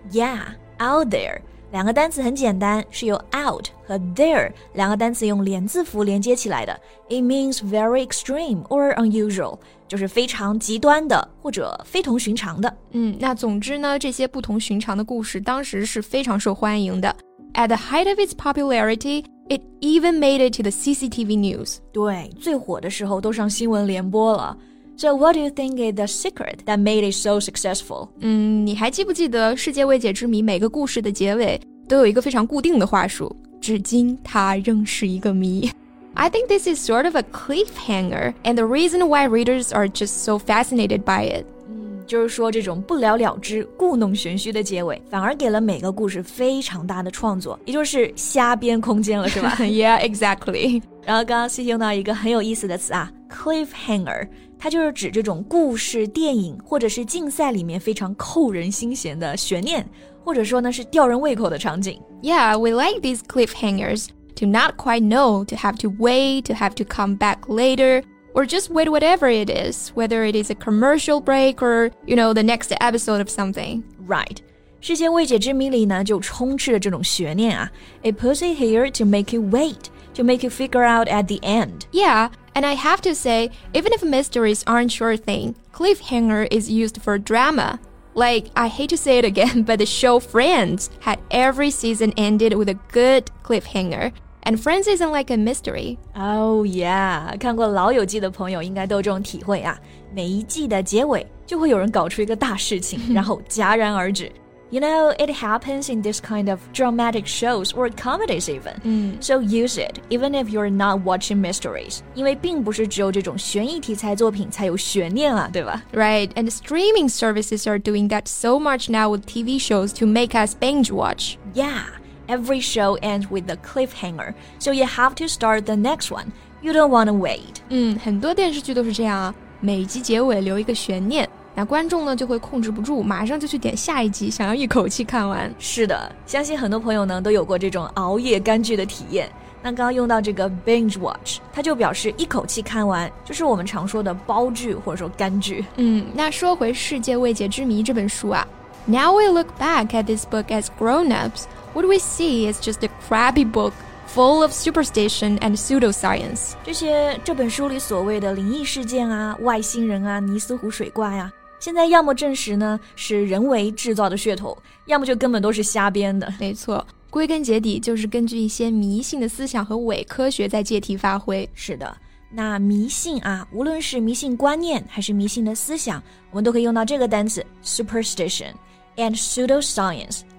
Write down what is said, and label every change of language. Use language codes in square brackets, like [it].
[en] Yeah, out there. [zh] 两个单词很简单，是由 out 和 there 两个单词用连字符连接起来的。 [en] It means very extreme or unusual, [zh] 就是非常极端的或者非同寻常的。嗯，那总之呢，这些不同寻常的故事当时是非常受欢迎的。 [en] At the height of its popularity, it even made it to the CCTV news. [zh] 对，最火的时候都上新闻联播了。 [en] So what do you think is the secret that made it so successful? [zh] 你还记不记得世界未解之谜每个故事的结尾都有一个非常固定的话术，至今它仍是一个谜。 [en] I think this is sort of a cliffhanger, and the reason why readers are just so fascinated by it. [zh] 就是说这种不了了之、故弄玄虚的结尾反而给了每个故事非常大的创作，也就是瞎编空间了，是吧？ [en] Yeah, exactly. [zh] 然后刚刚细听到一个很有意思的词啊。Cliffhanger, 它就是指这种故事、电影或者是竞赛里面非常扣人心弦的悬念，或者说呢是吊人胃口的场景。 [en] Yeah, we like these cliffhangers. To not quite know, to have to wait, to have to come back later, or just wait whatever it is, whether it is a commercial break or, you know, the next episode of something. Right. [zh] 世界未解之谜里呢就充斥着这种悬念啊。 [en] It puts it here to make you wait, to make you figure out at the end. Yeah. And I have to say, even if mysteries aren't sure thing, cliffhanger is used for drama. Like, I hate to say it again, but the show Friends had every season ended with a good cliffhanger. And Friends isn't like a mystery. Oh yeah, [zh] 看过老友记的朋友应该都有这种体会啊。每一季的结尾就会有人搞出一个大事情，然后戛然而止。 [en] You know, it happens in this kind of dramatic shows or comedies even.、 Mm. So use it, even if you're not watching mysteries. [zh] 因为并不是只有这种悬疑题材作品才有悬念啊，对吧？ [en] Right, and streaming services are doing that so much now with TV shows to make us binge watch. Yeah, every show ends with a cliffhanger, so you have to start the next one. You don't want to wait. [zh] 很多电视剧都是这样啊，每集结尾留一个悬念，那观众呢就会控制不住，马上就去点下一集，想要一口气看完。是的，相信很多朋友呢都有过这种熬夜干剧的体验。那刚刚用到这个 binge watch， 它就表示一口气看完，就是我们常说的煲剧或者说干剧。那说回《世界未解之谜》这本书啊， [en] Now we look back at this book as grown-ups, what we see is just a crappy book full of superstition and pseudoscience. [zh] 这本书里所谓的灵异事件啊，外星人啊，尼斯湖水怪啊，现在要么证实呢是人为制造的噱头，要么就根本都是瞎编的。没错，归根结底就是根据一些迷信的思想和伪科学在借题发挥。是的，那迷信啊，无论是迷信观念还是迷信的思想，我们都可以用到这个单词 superstition and pseudoscience。